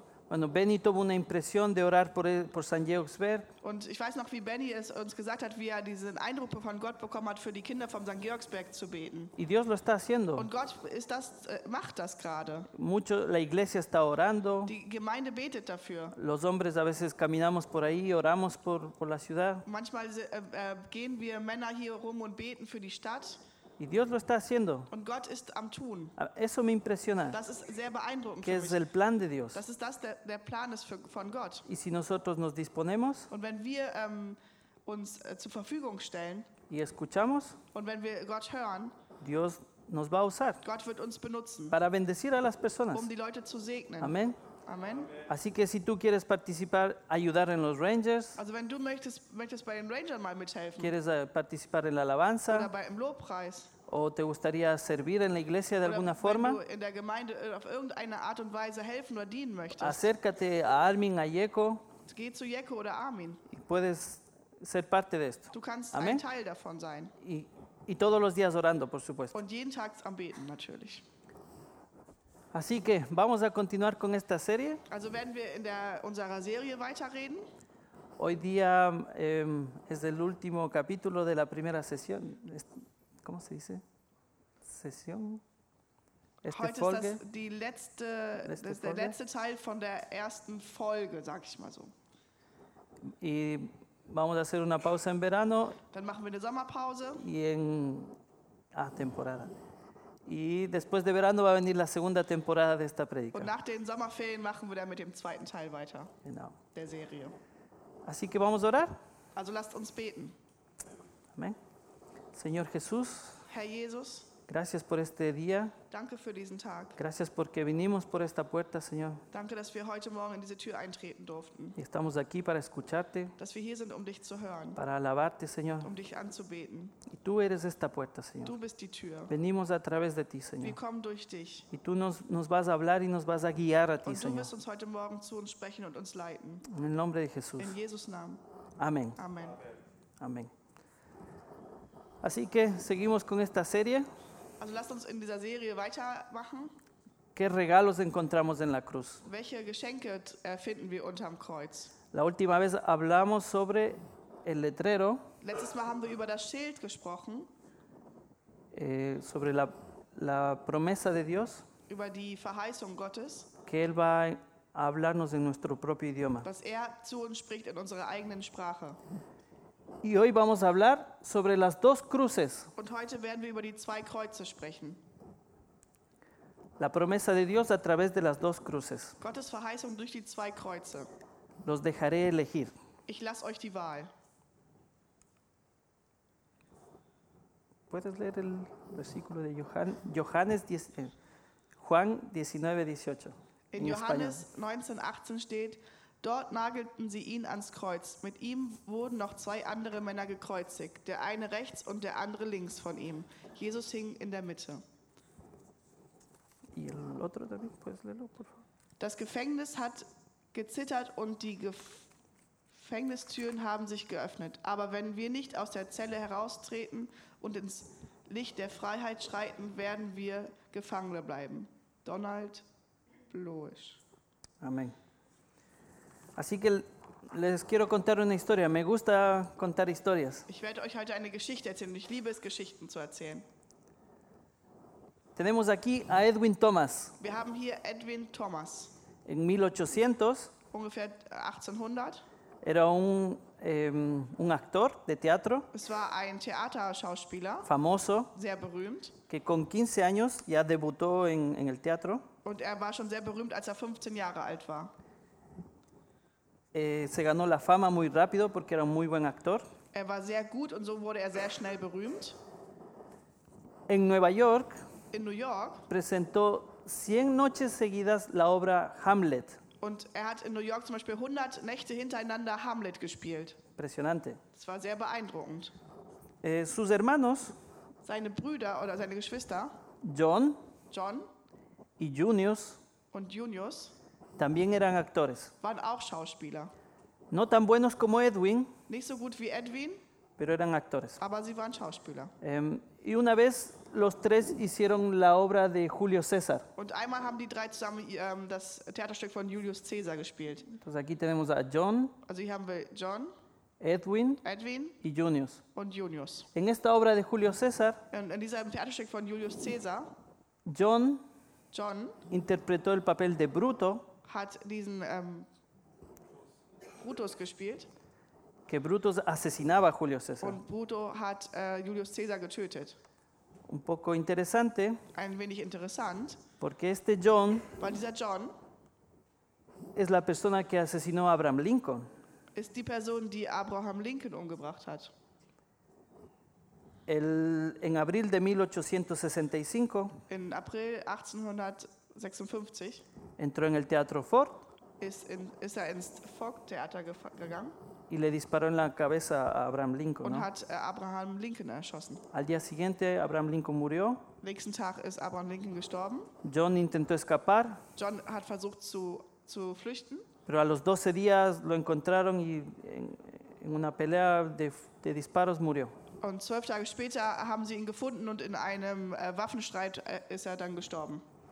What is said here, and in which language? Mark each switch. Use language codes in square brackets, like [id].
[es] Benny tuvo una impresión de orar por San Diego Xver. [de] Und ich weiß noch, wie Benny es uns gesagt hat, wie er diesen Eindruck von Gott bekommen hat, für die Kinder vom St. Georgsberg zu beten. [es] Y Dios lo está haciendo. [de] Und Gott ist das, macht das gerade. [es] Mucho, la iglesia está orando. [de] Die Gemeinde betet dafür. [es] Los hombres a veces caminamos por ahí, oramos por la ciudad. [de] Manchmal gehen wir Männer hier rum und beten für die Stadt. [es] Y Dios lo está haciendo. [de] Und Gott ist am Tun. [es] Eso me impresiona. [de] Das ist sehr beeindruckend. [es] Que es el plan de Dios. [de] Das ist der Plan ist von Gott. [es] Y si nosotros nos disponemos. [de] Und wenn wir uns zur Verfügung stellen. [es] Y escuchamos. [de] Und wenn wir Gott hören. [es] Dios nos va a usar. [de] Gott wird uns benutzen. [es] Para bendecir a las personas. [de] Um die Leute zu segnen. [es] Amén. [de] Amen. [es] Así que si tú quieres participar, ayudar en los Rangers. [de] Also wenn du möchtest bei den Rangers mal mithelfen. [es] Quieres participar en la alabanza. [de] Oder bei dem Lobpreis. [es] O te gustaría servir en la iglesia de [de] oder [es] alguna forma. [de] Wenn du in der Gemeinde auf irgendeine Art und Weise helfen oder dienen möchtest. [es] Acércate a Armin, a Jeco. [de] Geh zu Jeco oder Armin. [es] Puedes ser parte de esto. [de] Du kannst Amen. Ein Teil davon sein. [es] Y todos los días orando, por supuesto. [de] Und jeden Tag am Beten natürlich. [es] Así que vamos a continuar con esta serie. [de] Also werden wir in unserer Serie weiterreden. [es] Hoy día es el último capítulo de la primera sesión. ¿Cómo se dice? Sesión. [de] Este Heute Folge. Ist das die letzte, letzte das der Folge. Letzte Teil von der ersten Folge, sag ich mal so. [es] Y vamos a hacer una pausa en verano. [de] Dann machen wir eine Sommerpause. [es] Y en temporada. Y después de verano va a venir la segunda temporada de esta predica. [de] Und nach den Sommerferien machen wir dann mit dem zweiten Teil weiter. Genau. Der Serie. [es] Así que vamos a orar. [de] Also lasst uns beten. [es] Amén. Señor Jesús. [de] Herr Jesus. [es] Gracias por este día. [de] Danke für diesen Tag. [es] Gracias porque vinimos por esta puerta, Señor. [de] Danke, dass wir heute Morgen in diese Tür eintreten durften. [es] Y estamos aquí para escucharte. [de] Dass wir hier sind, um dich zu hören. [es] Para alabarte, Señor. [de] Um dich anzubeten. [es] Y tú eres esta puerta, Señor. [de] Du bist die Tür. [es] Venimos a través de ti, Señor. [de] Wir kommen durch dich. [es] Y tú nos vas a hablar y nos vas a guiar a ti, Señor. [de] Und du wirst uns heute Morgen zu uns sprechen und uns leiten. [es] En el nombre de Jesús. [de] In Jesus Namen. [es] Amén. Amén. Amén. Así que seguimos con esta serie. [de] Also lasst uns in dieser Serie weitermachen. [es] ¿Qué regalos encontramos en la cruz? [de] Welche Geschenke finden wir unterm Kreuz? [es] La última vez hablamos sobre el letrero. [de] Letztes Mal haben wir über das Schild gesprochen. [es] Sobre la promesa de Dios. [de] Über die Verheißung Gottes. [es] que él va a hablarnos en nuestro propio idioma. [de] Dass er zu uns spricht in unserer eigenen Sprache. [es] Y hoy vamos a hablar sobre las dos cruces. [de] Und heute werden wir über die zwei Kreuze sprechen. [es] La promesa de Dios a través de las dos cruces. [de] Gottes Verheißung durch die zwei Kreuze. [es] Los dejaré elegir. [de] Ich lasse euch die Wahl. [es] ¿Puedes leer el versículo de Juan 19:18? [de] In Johannes 19:18 steht: Dort nagelten sie ihn ans Kreuz. Mit ihm wurden noch zwei andere Männer gekreuzigt, der eine rechts und der andere links von ihm. Jesus hing in der Mitte. [es] ¿Y el otro también? ¿Puedes leerlo, por favor? [de] Das Gefängnis hat gezittert und die Gefängnistüren haben sich geöffnet. Aber wenn wir nicht aus der Zelle heraustreten und ins Licht der Freiheit schreiten, werden wir Gefangene bleiben. Donald Bloisch. Amen. [es] Así que les quiero contar una historia. Me gusta contar historias. [de] Ich werde euch heute eine Geschichte erzählen. Ich liebe es, Geschichten zu erzählen. [es] Tenemos aquí a Edwin Thomas. [de] Wir haben hier Edwin Thomas. [es] En 1800. [de] Ungefähr 1800. [es] Era un actor de teatro. [de] Es war ein Theaterschauspieler. [es] Famoso. [de] Sehr berühmt. [es] Que con 15 años ya debutó en el teatro. [de] Und er war schon sehr berühmt, als er 15 Jahre alt war. [es] Se ganó la fama muy rápido porque era un muy buen actor. [de] Er war sehr gut und so wurde er sehr schnell berühmt. [es] En Nueva York. [de] In New York. [es] Presentó 100 noches seguidas la obra Hamlet. [de] Und er hat in New York zum Beispiel 100 Nächte hintereinander Hamlet gespielt. [es] Impresionante. [de] Das war sehr beeindruckend. [es] Sus hermanos. [de] Seine Brüder oder seine Geschwister. [es] John. Y Junius. [de] Und Junius. [es] También eran actores. [de] Waren auch Schauspieler. [es] No tan buenos como Edwin. [de] Nicht so gut wie Edwin. [es] Pero eran actores. [de] Aber sie waren Schauspieler. [es] Y una vez los tres hicieron la obra de Julio César. [de] Und einmal haben die drei zusammen das Theaterstück von Julius Caesar gespielt. [es] Entonces aquí tenemos a John. [de] Also hier haben wir John. [es] Edwin. Y Junius. [de] Und Junius. [es] En esta obra de Julio César. [de] In diesem Theaterstück von Julius Caesar. [es] John. Interpretó el papel de Bruto. [de] Hat diesen Brutus gespielt. [es] Que Brutus asesinaba a Julio César. [de] Und Bruto hat Julius Caesar getötet. [es] Un poco interesante. [de] Ein wenig interessant. [es] Porque este John. [de] Weil dieser John. [es] Es la persona que asesinó a Abraham Lincoln. [de] Ist die Person, die Abraham Lincoln umgebracht hat. [es] En abril de 1865. [de] In April 1856. [es] Entró en el Teatro Ford. [de] Ist er ins Ford-Theater gegangen. [es] Y le disparó en la cabeza a Abraham Lincoln. [de] Und hat Abraham Lincoln erschossen. [es] Al día siguiente, Abraham Lincoln murió. [de] Nächsten Tag ist Abraham Lincoln gestorben. [es] John intentó escapar. [de] John hat versucht zu flüchten. [es] Pero a los 12 días lo encontraron y en una pelea de disparos murió. [de] Und 12 Tage später haben sie ihn gefunden und in einem Waffenstreit ist er dann gestorben.